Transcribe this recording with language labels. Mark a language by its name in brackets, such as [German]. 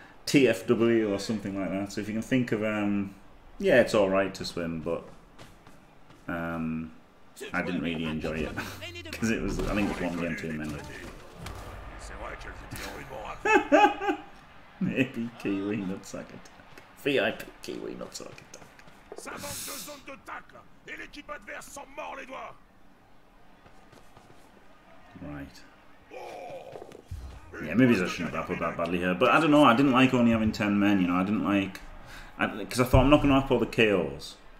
[English] TFW or something like that. So if you can think of, yeah, it's all right to swim, but I didn't really enjoy it because it was, I think, it's one game too many. Maybe Kiwi Nutsack Attack. VIP Kiwi Nutsack Attack. [French] Ça manque de zone de tacle et l'équipe adverse s'en mord les doigts. [English] Right. Yeah, maybe I shouldn't have grappled that badly here. But I don't know, I didn't like only having 10 men, you know. I didn't like... Because I thought, I'm not going to have all the KOs.